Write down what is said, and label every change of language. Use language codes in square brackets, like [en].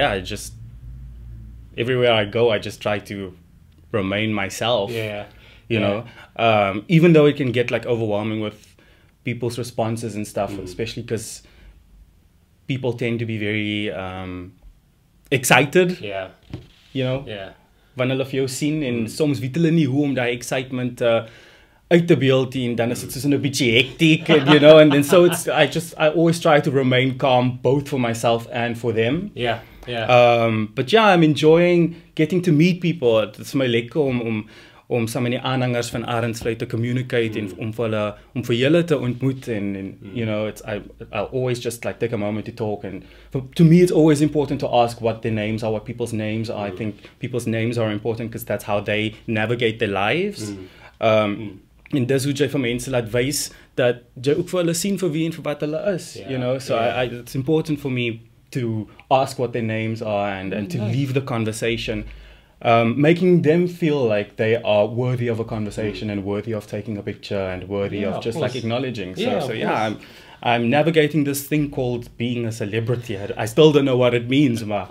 [en] I just, everywhere I go, I just try to remain myself. You know, even though it can get like overwhelming with people's responses and stuff, especially because people tend to be very excited. You know. [af] When hulle vir jou sien, en soms weet hulle nie hoe om daai excitement uit te beeld, en dan is dit soos 'n bietjie hectic, [en] you know. And then so it's, I always try to remain calm, both for myself and for them. But yeah, I'm enjoying getting to meet people. It's my [af] lekker om [en] so many [af] aanhangers van Arendsvlei [en] to communicate, and [af] om vir julle te ontmoet, [en] and you know, I always just like take a moment to talk, and to me it's always important to ask what their names are, what people's names are. I think people's names are important because that's how they navigate their lives. [af] En dis hoe jy vir mense laat wys dat jy ook vir hulle sien vir wie en vir wat hulle is, [en] you know. So it's important for me to ask what their names are, and to leave the conversation, making them feel like they are worthy of a conversation, and worthy of taking a picture, and worthy of just like acknowledging. So, yeah, I'm navigating this thing called being a celebrity. I still don't know what it means, ma.